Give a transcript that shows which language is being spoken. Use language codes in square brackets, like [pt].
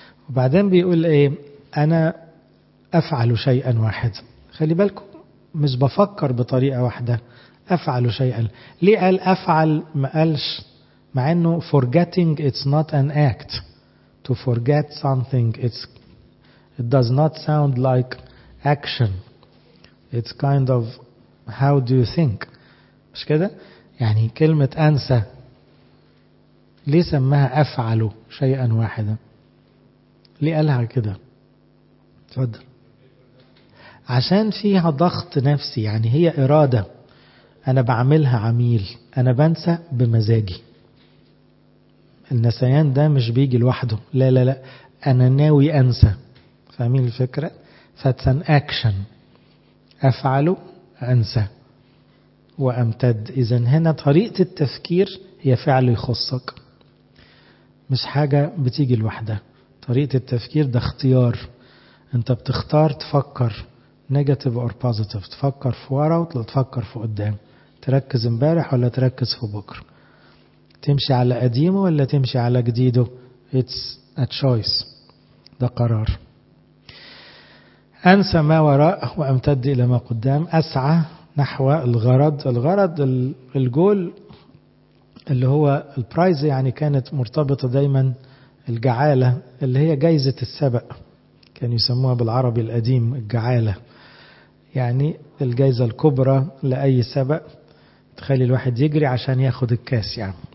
[ar] وبعدين بيقول ايه، انا افعل شيئا واحد، خلي بالكم مش بفكر بطريقة واحدة، افعل شيئا. ليه قال افعل ما قالش، مع انه [en] forgetting it's not an act. To forget something it does not sound like action. It's kind of how do you think. [ar] مش كده؟ يعني كلمة انسى ليه سماها افعل شيئا واحدا؟ ليه قالها كده؟ تفضل. عشان فيها ضغط نفسي، يعني هي ارادة انا بعملها عميل، انا بنسى بمزاجي. النسيان ده مش بيجي لوحده، لا انا ناوي انسى، فاهمين الفكره؟ [en] فاتس in action, [ar] افعل انسى وامتد. اذا هنا طريقه التفكير هي فعل يخصك، مش حاجه بتيجي لوحدها، طريقه التفكير ده اختيار، انت بتختار تفكر [en] negative or positive, [ar] تفكر في ورا ولا تفكر في قدام، تركز امبارح ولا تركز في بكره، تمشي على قديمه ولا تمشي على جديده. [en] It's a choice، [ar] ده قرار. أنسى ما وراء وأمتد إلى ما قدام، أسعى نحو الغرض. الغرض الجول اللي هو البرايز، يعني كانت مرتبطة دايما الجعالة اللي هي جايزة السبق، كان يسموها بالعربي القديم الجعالة، يعني الجايزة الكبرى لأي سبق، تخلي الواحد يجري عشان ياخد الكاس يعني.